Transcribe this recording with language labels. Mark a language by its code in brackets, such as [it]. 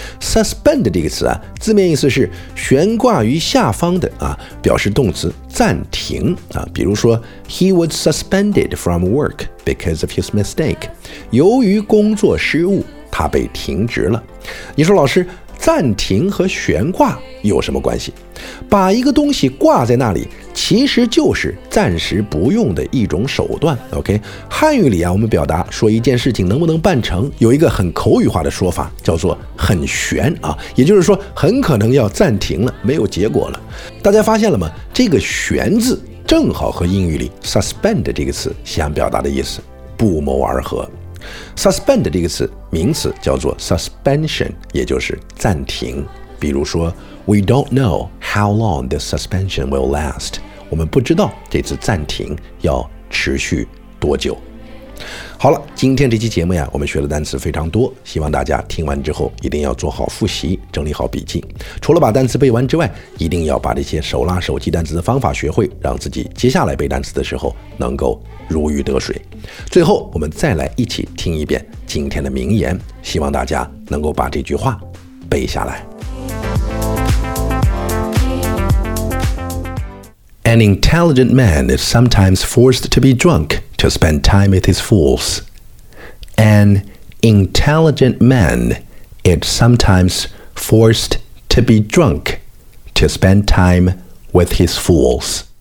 [zh] suspend 这个词啊，字面意思是悬挂于下方的啊，表示动词暂停啊。比如说 [en] ，He was suspended from work because of his mistake。 [zh] 由于工作失误，他被停职了。你说老师，暂停和悬挂有什么关系？把一个东西挂在那里，其实就是暂时不用的一种手段。 OK， 汉语里啊，我们表达说一件事情能不能办成，有一个很口语化的说法，叫做很悬啊，也就是说很可能要暂停了，没有结果了。大家发现了吗？这个悬字正好和英语里 suspend 这个词想表达的意思不谋而合。 suspend 这个词名词叫做 suspension， 也就是暂停。比如说 [en] We don't know how long this suspension will last， [zh] 我们不知道这次暂停要持续多久。好了，今天这期节目呀，我们学的单词非常多，希望大家听完之后一定要做好复习，整理好笔记。除了把单词背完之外，一定要把这些手拉手记单词的方法学会，让自己接下来背单词的时候能够如鱼得水。最后我们再来一起听一遍今天的名言，希望大家能够把这句话背下来。 [en] An intelligent man is sometimes forced to be drunkTo spend time with his fools. An intelligent man is sometimes forced to be drunk to spend time with his fools.